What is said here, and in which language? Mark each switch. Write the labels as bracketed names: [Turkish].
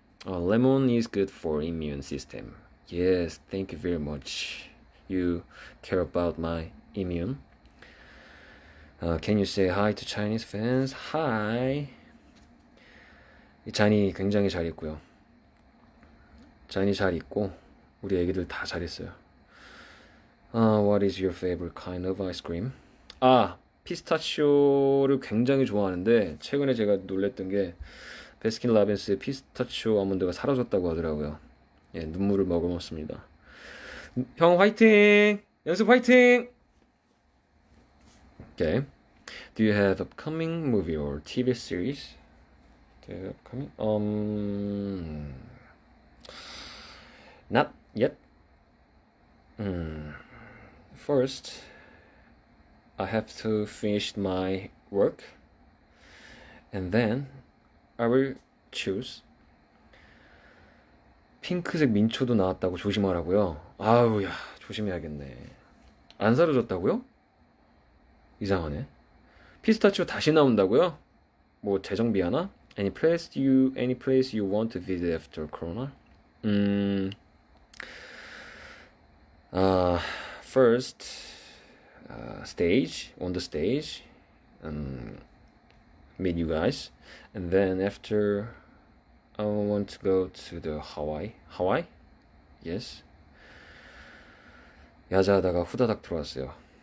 [English] Lemon is good for immune system. Yes, thank you very much. You care about my immune? Can you say hi to Chinese fans? Hi. [Korean] 쟈니 굉장히 잘했고요. 쟈니 잘했고 우리 애기들 다 잘했어요. [English] What is your favorite kind of ice cream? [Korean] 아, 피스타치오를 굉장히 좋아하는데 최근에 제가 놀랐던 게 배스킨라빈스의 피스타치오 아몬드가 사라졌다고 하더라고요. 예, 눈물을 머금었습니다. 형 화이팅! 연습 화이팅! 오케이. [English] Do you have upcoming movie or TV series? Do you have upcoming? Not yet. First, I have to finish my work and then I will choose. [Korean] 핑크색 민초도 나왔다고 조심하라고요? 아우야, 조심해야겠네. 안 사라졌다고요? 이상하네. 피스타치오 다시 나온다고요? 뭐 재정비하나? [English] Any place you want to visit after Corona? First stage on the stage, meet you guys, and then after I want to go to the Hawaii. Hawaii? Yes. [Korean] 야자하다가 후다닥 들어왔어요.